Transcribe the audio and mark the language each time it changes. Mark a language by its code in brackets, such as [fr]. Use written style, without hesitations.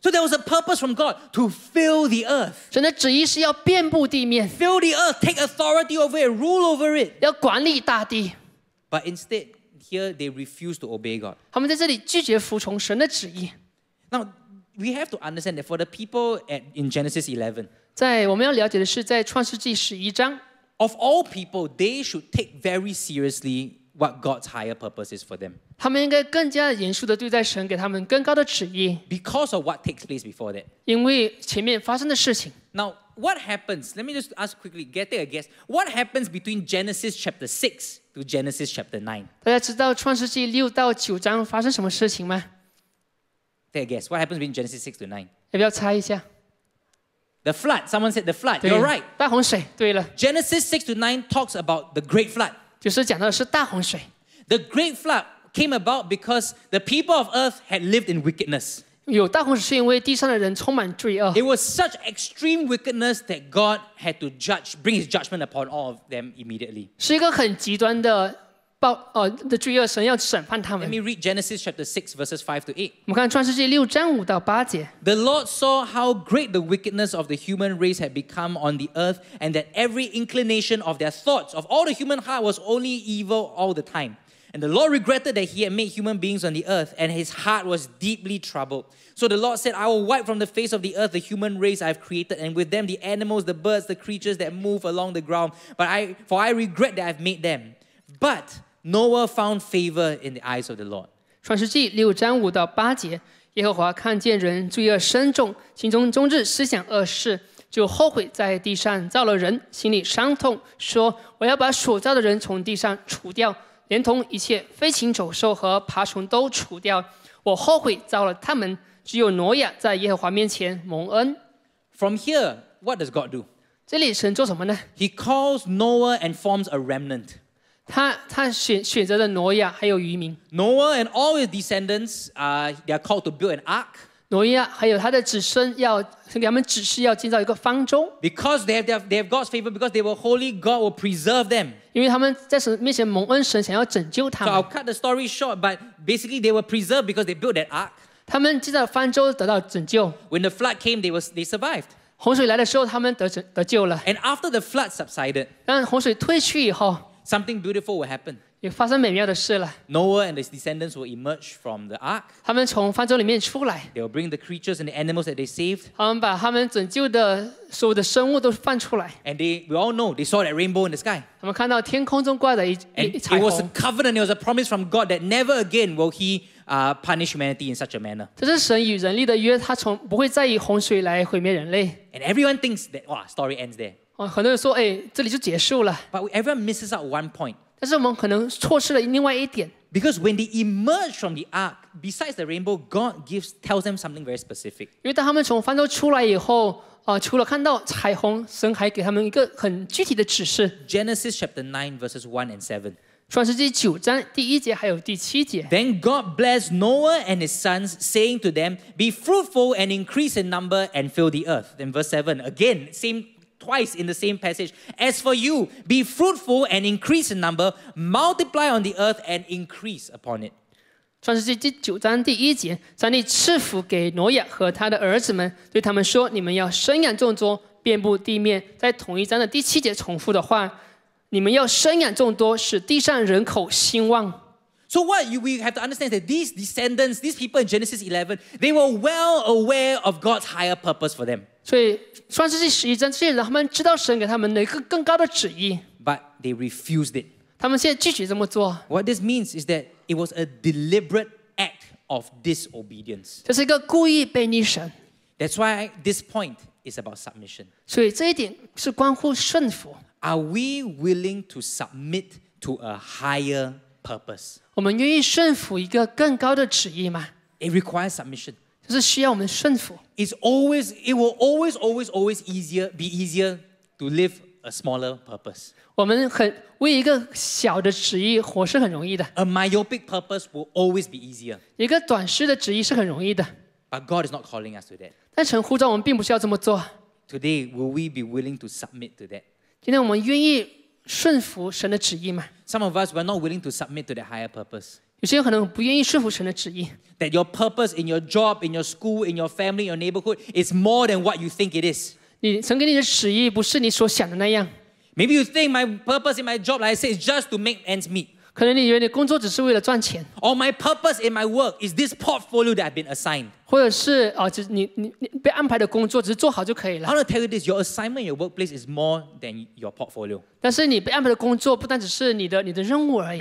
[en] So there was a purpose from God to fill the earth. [zh] 神的旨意是要遍布地面 [en] ，fill the earth, take authority over it, rule over it. [zh] 要管理大地。 [en] But instead, here they refuse to obey God. [zh] 他们在这里拒绝服从神的旨意。 [en] Now, we have to understand that for the people in Genesis 11, [zh] 在我们要了解的是在创世纪十一章。 [en] Of all people, they should take very seriously what God's higher purpose is for them. [zh] 他们应该更加严肃地对待神给他们更高的旨意。 [en] Because of what takes place before that. [zh] 因为前面发生的事情。 [en] Now, what happens? Let me just ask quickly, take a guess. What happens between Genesis chapter 6? To Genesis chapter 9. [zh] 大家知道创世纪六到九章发生什么事情吗？ [en] Take a guess. What happens between Genesis 6 to 9? [zh] 要不要猜一下？ [en] The flood. Someone said the flood. You're right. [zh] 大洪水。对了。 [en] Genesis 6 to 9 talks about the great flood. [zh] 就是讲到的是大洪水。 [en] The great flood came about because the people of earth had lived in wickedness. [zh] 有大洪水是因为地上的人充满罪恶。 [en] It was such extreme wickedness that God had to judge, bring his judgment upon all of them immediately. [zh] 是一个很极端的罪恶，神要审判他们。 [en] Let me read Genesis chapter 6 verses 5 to 8. [zh] 我们看创世纪六章五到八节。 [en] The Lord saw how great the wickedness of the human race had become on the earth, and that every inclination of their thoughts of all the human heart was only evil all the time. And the Lord regretted that he had made human beings on the earth, and his heart was deeply troubled. So the Lord said, I will wipe from the face of the earth the human race I have created, and with them the animals, the birds, the creatures that move along the ground. For I regret that I have made them. But Noah found favor in the eyes of the Lord. [zh] 创世纪六章五到八节，耶和华看见人罪恶深重，心中终日思想恶事，就后悔在地上造了人，心里伤痛，说我要把所造的人从地上除掉，连同一切飞禽走兽和爬虫都除掉，我后悔造了他们，只有挪亚在耶和华面前蒙恩。 [en] From here, what does God do? [zh] 这里神做什么呢？ [en] He calls Noah and forms a remnant. [zh] 他选择了挪亚还有渔民。 [en] Noah and all his descendants, they are called to build an ark. [zh] 挪亚还有他的子孙要给他们指示要建造一个方舟。 [en] Because they have God's favor, because they were holy, God will preserve them. [zh] 因为他们在神面前蒙恩，神想要拯救他们。 [en] So I'll cut the story short, but basically they were preserved because they built that ark. [zh] 他们建造方舟得到拯救。 [en] When the flood came, they survived. [zh] 洪水来的时候，他们得救了。 [en] And after the flood subsided, [zh] 当洪水退去以后 [en] ，something beautiful will happen. [zh] 也发生美妙的事了。 [en] Noah and his descendants will emerge from the ark. [zh] 他们从方舟里面出来。 [en] They will bring the creatures and the animals that they saved. [zh] 他们把他们拯救的所有的生物都放出来。 [en] And we all know they saw that rainbow in the sky. [zh] 他们看到天空中挂着一彩虹。 [en] It was a covenant. It was a promise from God that never again will he. Punish humanity in such a manner. [zh] 这是神与人立的约，他从不会再以洪水来毁灭人类。 [en] And everyone thinks that, wow, story ends there. [zh] 很多人说，哎，这里就结束了。 [en] But everyone misses out one point. [zh] 但是我们可能错失了另外一点。 [en] Because when they emerge from the ark, besides the rainbow, God tells them something very specific. [zh] 因为当他们从方舟出来以后，除了看到彩虹，神还给他们一个很具体的指示。 [en] Genesis chapter 9 verses 1 and 7. [zh] 创世纪九章第一节还有第七节。 [en] Then God blessed Noah and his sons, saying to them, "Be fruitful and increase in number and fill the earth." Then verse 7, again, same twice in the same passage. As for you, be fruitful and increase in number, multiply on the earth and increase upon it. [zh] 创世纪第九章第一节，上帝赐福给挪亚和他的儿子们，对他们说：“你们要生养众多，遍布地面。” 在同一章的第七节重复的话。你们要生养众多，使地上人口兴旺。 [en] So what we have to understand is that these descendants, these people in Genesis 11, they were well aware of God's higher purpose for them. [zh] 所以创世纪十一章这些人，他们知道神给他们的一个更高的旨意。 [en] But they refused it. [zh] 他们现在拒绝这么做。 [en] What this means is that it was a deliberate act of disobedience. [zh] 这是一个故意背逆神。 [en] That's why this point is about submission. [zh] 所以这一点是关乎顺服。 [en] Are we willing to submit to a higher purpose? [zh] 我们愿意顺服一个更高的旨意吗？ [en] It requires submission. [zh] 就是需要我们顺服。 [en] It will always be easier to live a smaller purpose. [zh] 我们很为一个小的旨意活是很容易的。 [en] A myopic purpose will always be easier. [zh] 一个短视的旨意是很容易的。 [en] But God is not calling us to that. [zh] 但神呼召我们并不需要这么做。 [en] Today, will we be willing to submit to that? [zh] 今天我们愿意顺服神的旨意吗？ [en] Some of us were not willing to submit to the higher purpose. [zh] 有些人可能不愿意顺服神的旨意。 [en] That your purpose in your job, in your school, in your family, in your neighborhood is more than what you think it is. [zh] 你神给你的旨意不是你所想的那样。 [en] Maybe you think my purpose in my job, like I said, is just to make ends meet. [zh] 可能你以为你工作只是为了赚钱。 [en] Or my purpose in my work is this portfolio that I've been assigned. [zh] 或者是你被安排的工作只是做好就可以了。 [en] I want to tell you this, your assignment in your workplace is more than your portfolio. [zh] 但是你被安排的工作不单只是你的任务而已。